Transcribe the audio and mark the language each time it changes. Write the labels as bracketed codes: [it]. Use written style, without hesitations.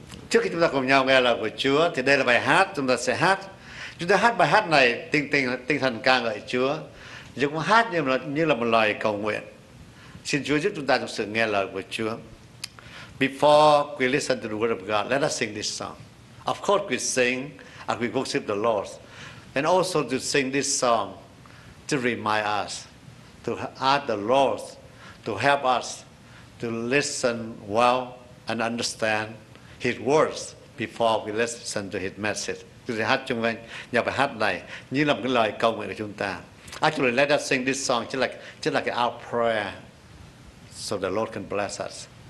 [vi] Trước khi chúng ta cùng nhau nghe lời của Chúa, thì đây là bài hát chúng ta sẽ hát. Chúng ta hát bài hát này tinh thần ca ngợi Chúa, chúng ta hát như là một lời cầu nguyện. Xin Chúa giúp chúng ta trong sự nghe lời của Chúa. [en] Before we listen to the word of God, let us sing this song. Of course we sing and we worship the Lord, and also to sing this song to remind us, to ask the Lord to help us to listen well and understand His words before we listen to His message. [vi] Chúng ta hát chung với nhau bài hát này như là một lời cầu nguyện của chúng ta. [en] Actually, let us sing this song just like our prayer, so the Lord can bless us.